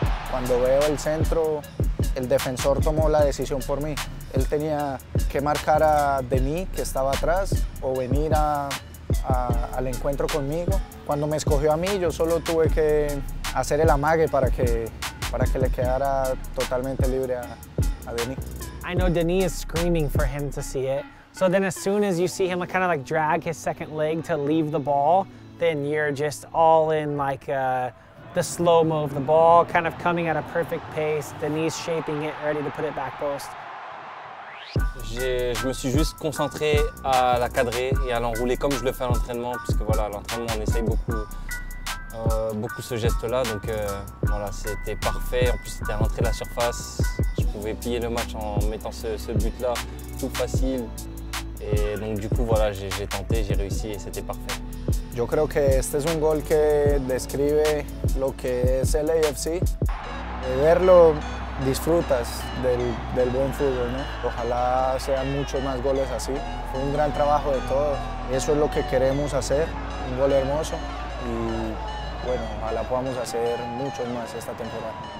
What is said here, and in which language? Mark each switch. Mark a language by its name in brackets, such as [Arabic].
[Spanish] Cuando veo el centro, el defensor tomó la decisión por mí. Él tenía que marcar a Denis, que estaba atrás, o venir al encuentro conmigo. Cuando me escogió a mí, yo solo tuve que hacer el amague para que le quedara totalmente libre a Denis. [English] I know Denis is screaming for him to see it. So then as soon as you see him kind of like drag his second leg to leave the ball, then you're just all in like the slow-mo of the ball, kind of coming at a perfect pace, Denis shaping it, ready to put it back post. [French] Je me suis juste concentré à la cadrer et à l'enrouler comme je le fais à l'entraînement, puisque voilà, à l'entraînement, on essaye beaucoup ce geste-là, donc voilà, c'était parfait. En plus, c'était à l'entrée de la surface. Je pouvais plier le match en mettant ce but-là, tout facile. Et donc, du coup, voilà, j'ai tenté, j'ai réussi et c'était parfait. [Spanish] Yo creo que este es un gol que describe lo que es el LAFC. De verlo, disfrutas del buen fútbol, ¿no? Ojalá sean muchos más goles así. Fue un gran trabajo de todos. Eso es lo que queremos hacer, un gol hermoso. Y bueno, ojalá podamos hacer muchos más esta temporada.